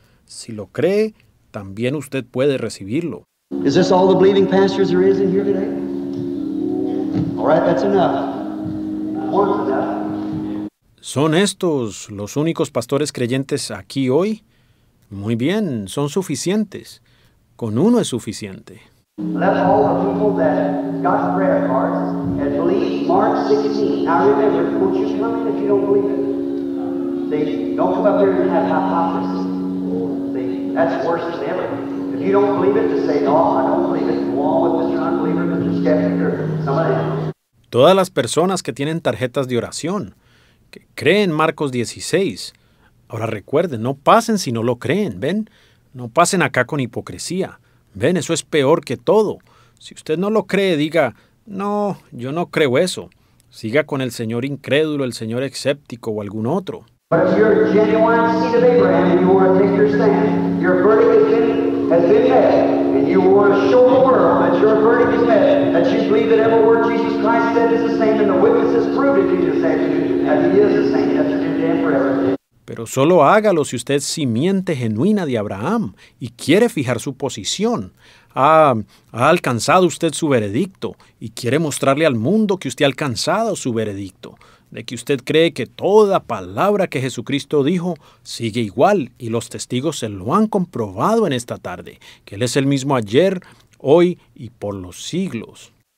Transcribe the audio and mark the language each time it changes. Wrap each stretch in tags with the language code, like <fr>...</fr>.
<es>Si lo cree, también usted puede recibirlo. ¿Es esto todos los</es> <en>believing pastors there is in here today? All right, that's enough.</en> <es>¿Son estos los únicos pastores creyentes aquí hoy? Muy bien, son suficientes. Con uno es suficiente.</es> <en>Let all the people that got prayer cards and believe Mark 16. Now remember, won't you come in if you don't believe it? See, don't come up here and have hypocrisy. See, that's worse than ever. If you don't believe it, just say, no, I don't believe it. Go on with Mr. Unbeliever, Mr. Skeptic, or somebody else.</en> <es>Todas las personas que tienen tarjetas de oración, que creen Marcos 16. Ahora recuerden, no pasen si no lo creen, ¿ven? No pasen acá con hipocresía. ¿Ven? Eso es peor que todo. Si usted no lo cree, diga, no, yo no creo eso. Siga con el señor incrédulo, el señor escéptico o algún otro.</es> <en>But if you're a genuine seed of Abraham and you want to take your stand, your verdict has been met. And you want to show the world that your verdict is met, that you believe that every word Jesus Christ said is the same, and the witness has proved it to you, that he is the same yesterday and forever.</en> <es>Pero solo hágalo si usted es simiente genuina de Abraham y quiere fijar su posición. Ha alcanzado usted su veredicto y quiere mostrarle al mundo que usted ha alcanzado su veredicto. de que usted cree que toda palabra que Jesucristo dijo sigue igual, y los testigos se lo han comprobado en esta tarde, que Él es el mismo ayer, hoy y por los siglos.</es>